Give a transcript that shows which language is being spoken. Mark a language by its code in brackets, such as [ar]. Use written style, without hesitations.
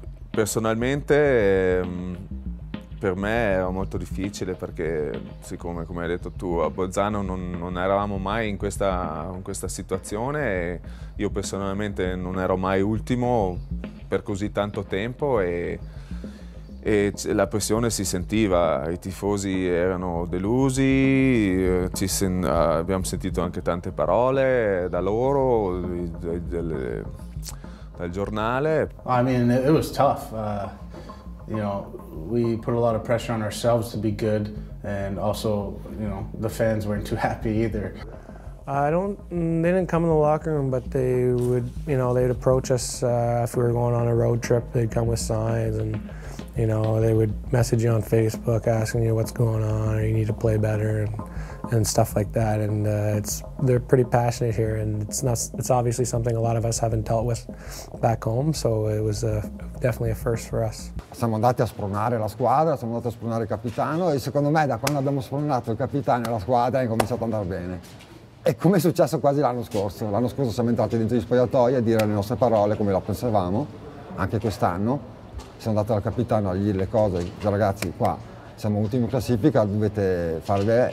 [it] Personalmente per me era molto difficile perché, siccome come hai detto tu, a Bolzano non eravamo mai in questa situazione e io personalmente non ero mai ultimo per così tanto tempo e la pressione si sentiva, i tifosi erano delusi, abbiamo sentito anche tante parole da loro, dal giornale. [en] I mean, it was tough. You know, we put a lot of pressure on ourselves to be good and also, you know, the fans weren't too happy either. They didn't come in the locker room, but they would, you know, they'd approach us if we were going on a road trip, they'd come with signs and you know, they would message you on Facebook asking you what's going on, or you need to play better and stuff like that. And they're pretty passionate here and it's obviously something a lot of us haven't dealt with back home, so it was definitely a first for us. [it] Siamo andati a spronare la squadra, siamo andati a spronare il capitano e secondo me da quando abbiamo spronato il capitano e la squadra è cominciato ad andare bene. E come è successo quasi l'anno scorso. L'anno scorso siamo entrati dentro gli spogliatoi a dire le nostre parole come la pensavamo, anche quest'anno. Siamo andati dal capitano a dire le cose, ragazzi qua siamo ultimi in classifica, dovete fare bene.